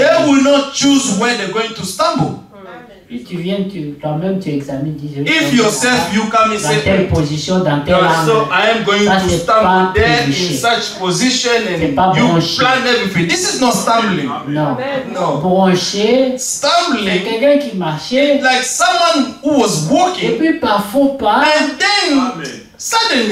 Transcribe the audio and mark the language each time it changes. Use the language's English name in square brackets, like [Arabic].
[English] They will not choose where they're going to stumble. [French] Puis tu viens, toi-même tu examines, dis-je, [English] if yourself you come in [French] dans telle position, dans telle angle, [English] so I am going to stumble there in such position and you plan everything. This is not stumbling. No. [French] Broncher, stumbling, quelqu'un qui marchait, [English] like someone who was walking, [French] et puis par faux pas, [English] and then suddenly,